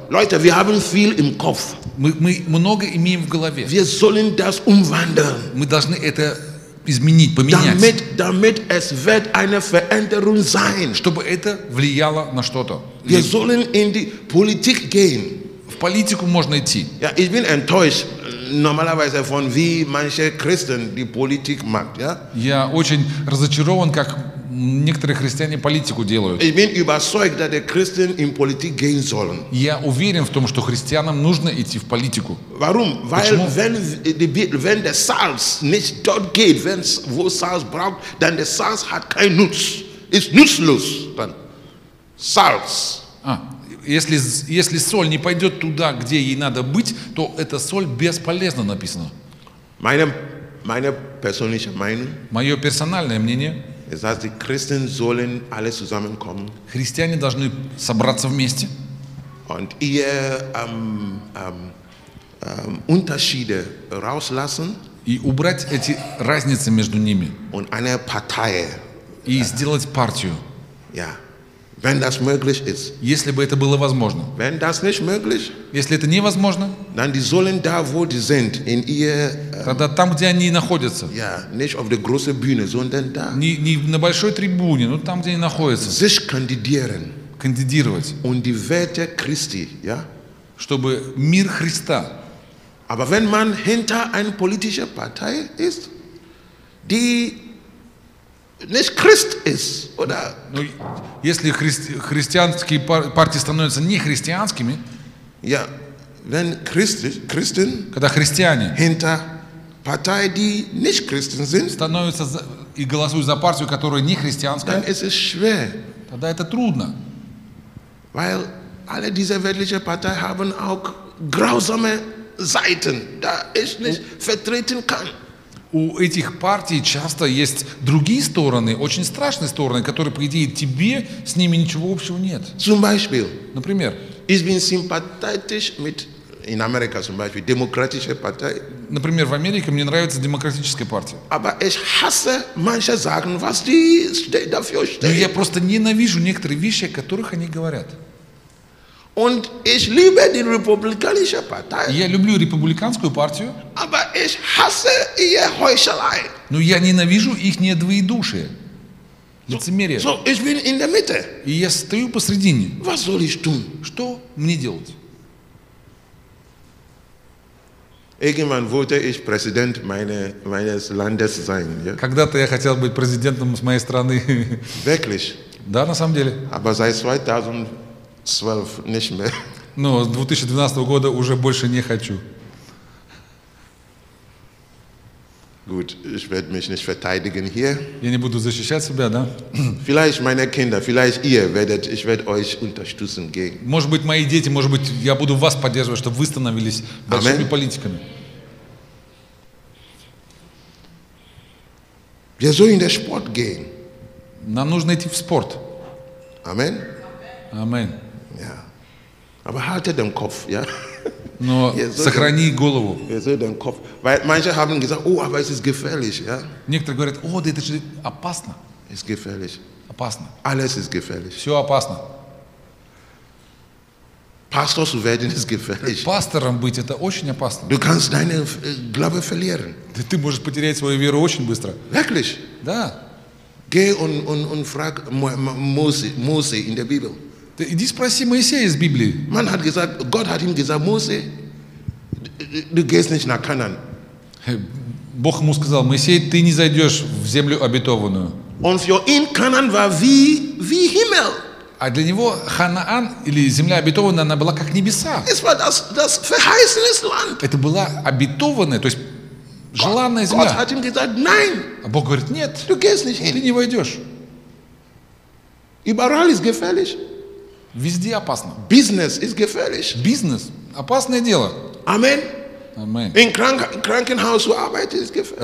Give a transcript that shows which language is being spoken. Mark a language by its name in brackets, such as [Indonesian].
[German] Leute, wir haben viel im Kopf. [Russian] Мы много имеем в голове. [German] Wir sollen das umwandeln. [Russian] Мы должны это изменить, поменять. [German] Damit es wird eine Veränderung sein. [Russian] Чтобы это влияло на что-то. [German] Wir sollen in die Politik gehen. [Russian] В политику можно идти. [German] Ja, ich bin enttäuscht. Normalerweise von wie manche Christen die Politik macht, ja? [Russian] Я очень разочарован, как некоторые христиане политику делают. [German] Ich bin überzeugt, dass die Christen in Politik gehen sollen. [Russian] Я уверен в том, что христианам нужно идти в политику. [German] Warum? Weil wenn der Salz nicht dort geht, wo Salz braucht, dann der Salz hat keinen Nutz. Ist nutzlos dann. Salz. [Russian] Если соль не пойдет туда, где ей надо быть, то эта соль бесполезна, написано. Мое персональное мнение, [English] is that the Christians [German] sollen alle zusammenkommen, [Russian] христиане должны собраться вместе [German] und ihr, Unterschiede rauslassen, [Russian] и убрать эти разницы между ними [German] und eine Partei, [Russian] и сделать партию. [German] Yeah. Wenn das möglich ist. [Russian] Если бы это было возможно. [German] Wenn das nicht möglich, [Russian] если это невозможно, [German] dann die sollen da, wo die sind, in ihr, [Russian] тогда там, где они находятся. [German] Yeah, nicht auf der großen Bühne, sondern da. [Russian] Не на большой трибуне, но там, где они находятся. [German] Sich kandidieren. [Russian] Кандидировать. [German] Und die Werte Christi, ja? [Russian] Чтобы мир Христа. [German] Aber wenn man hinter einer politischen Partei ist, die nicht Christ ist, oder? [Russian] Но если христианские партии становятся не христианскими, [German] ja, wenn Christen, [Russian] когда христиане [German] hinter Partei, die nicht Christen sind, [Russian] становятся и голосуют за партию, которая не христианская, [German] dann ist es schwer, [Russian] тогда это трудно. [German] Weil alle diese weltlichen Parteien haben auch grausame Seiten, da ich nicht vertreten kann. [Russian] У этих партий часто есть другие стороны, очень страшные стороны, которые, по идее, тебе с ними ничего общего нет. [German] Zum Beispiel, [Russian] например, [German] ich bin sympathetisch mit, in America, zum Beispiel, demokratische Partei. [Russian] Например, в Америке мне нравится демократическая партия. [German] Aber ich hasse manche Sachen, was die dafür stehen. [Russian] Но я просто ненавижу некоторые вещи, о которых они говорят. [German] Und ich liebe die republikanische Partei. [Russian] Я люблю республиканскую партию. [German] Aber ich hasse ihre Heuchelei. [Russian] Но я ненавижу их недвоедушие, лицемерие. [German] So ich bin in der Mitte. [Russian] И я стою посредине. [German] Was soll ich tun? [Russian] Что мне делать? [German] Irgendwann wollte ich Präsident meines Landes sein. Ja? [Russian] Когда-то я хотел быть президентом с моей страны. [German] Wirklich? [Russian] Да, на самом деле. [German] Aber seit 2012 nicht mehr. [Russian] Но с 2012 года уже больше не хочу. [German] Gut, ich werde mich nicht verteidigen hier. [Russian] Я не буду защищать себя, да? [German] Vielleicht meine Kinder, vielleicht ihr werdet, ich werde euch unterstützen gehen. [Russian] Может быть, мои дети, может быть, я буду вас поддерживать, чтобы вы становились большими Amen. Политиками. [German] Wir sollen in den Sport gehen. [Russian] Нам нужно идти в спорт. [German] Amen. [Russian] Amen. [German] Ja. Aber halte den Kopf, ja? [Russian] Но сохрани голову. [German] Manche haben gesagt, oh, aber es ist gefährlich, ja? [Russian] Некоторые говорят, о, да это же опасно. [German] Ist gefährlich. [Russian] Опасно. [German] Alles ist gefährlich. [Russian] Все опасно. [German] Pastor zu werden ist gefährlich. [Russian] Пастором быть это очень опасно. [German] Du kannst deine Glaube verlieren. [Russian] Ты можешь потерять свою веру очень быстро. [German] Wirklich? [Russian] Да. [German] Geh und frag Mose in der Bibel. [Russian] Иди спроси Моисея из Библии. [German] Man hat gesagt, Gott hat ihm gesagt, Mose, du gehst nicht nach Canaan. [Russian] Бог ему сказал, Моисей, ты не зайдешь в землю обетованную. [German] Und für ihn Canaan war wie Himmel. [Russian] А для него Ханаан или земля обетованная, она была как небеса. [German] Es war das verheißenes Land. [Russian] Это была обетованная, то есть желанная земля. [German] Gott hat ihm gesagt, nein. [Russian] А Бог говорит, нет. [German] Du gehst nicht hin. [Russian] Ты не войдешь. [German] Überall ist gefährlich. [Russian] Везде опасно. [English] Business is [German] gefährlich. [Russian] Бизнес опасное дело. [German] Amen. [Russian] Amen. [German] In Krankenhaus zu arbeiten ist gefährlich.